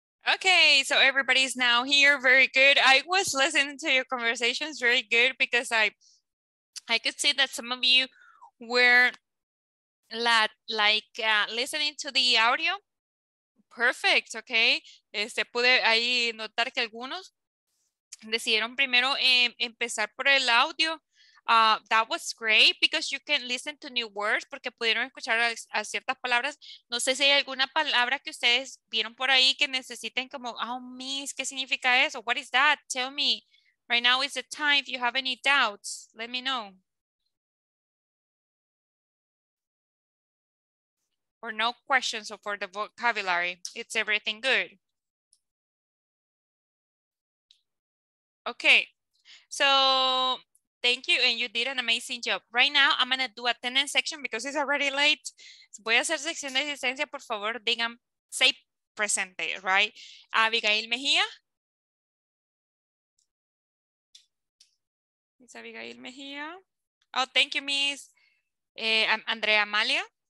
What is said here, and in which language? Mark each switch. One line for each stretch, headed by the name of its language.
English: Okay, so everybody's now here. Very good. I was listening to your conversations. Very good, because I could see that some of you were listening to the audio. Perfect. Okay.
Spanish: Este, pude ahí notar que algunos decidieron primero empezar por el audio.
English: That was great because you can listen to new words,
Spanish: porque pudieron escuchar a ciertas palabras. No sé si hay alguna palabra que ustedes vieron por ahí que necesiten como, oh, miss, ¿qué significa eso?
English: What is that? Tell me. Right now is the time. If you have any doubts, let me know. Or no questions for the vocabulary. It's everything good. Okay. So... thank you, and you did an amazing job. Right now, I'm going to do attendance section because it's already late.
Spanish: Voy a hacer sección de asistencia, por favor, digan, say presente, right? Abigail Mejía.
English: It's Abigail Mejía. Oh, thank you, Miss. Andrea Amalia.